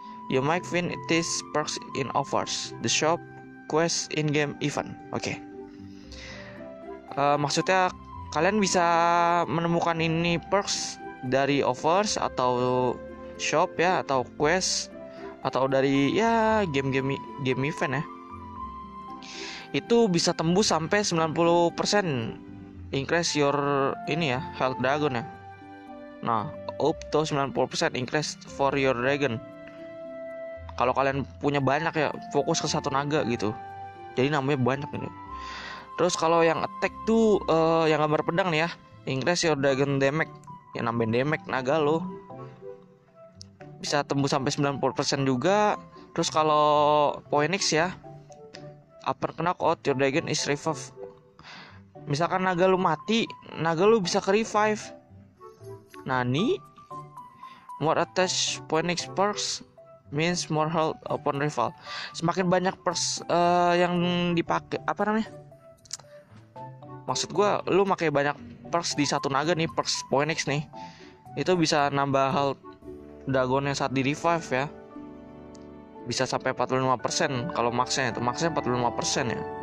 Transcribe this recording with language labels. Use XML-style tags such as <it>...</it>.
<en>You might win this perks in offers, the shop, quest, in game event. Oke. Okay.</en> <id>Maksudnya kalian bisa menemukan ini perks dari offers atau shop ya, atau quest, atau dari ya game event ya. Itu bisa tembus sampai 90%</id> <en>increase your</en> <id>ini ya, health dragon ya.</id> <en>Nah, up to 90% increase for your dragon.</en> <id>Kalau kalian punya banyak ya, fokus ke satu naga gitu. Jadi namanya banyak ini. Terus kalau yang attack tuh yang gambar pedang nih ya,</id> <en>increase your dragon damage.</en> <id>Ya nambahin damage naga lo. Bisa tembus sampai 90% juga. Terus kalau</id> <en>Phoenix ya, upper knockout your dragon is revived.</en> <id>Misalkan naga lu mati, naga lu bisa ke-revive. Nani?</id> <en>More attached Phoenix perks means more health upon revival.</en> <id>Semakin banyak perks yang dipakai, apa namanya? Maksud gua lu pakai banyak perks di satu naga nih, perks Phoenix nih. Itu bisa nambah health dragonnya saat di-revive ya. Bisa sampai 45% kalau maxnya itu, maxnya 45% ya.</id>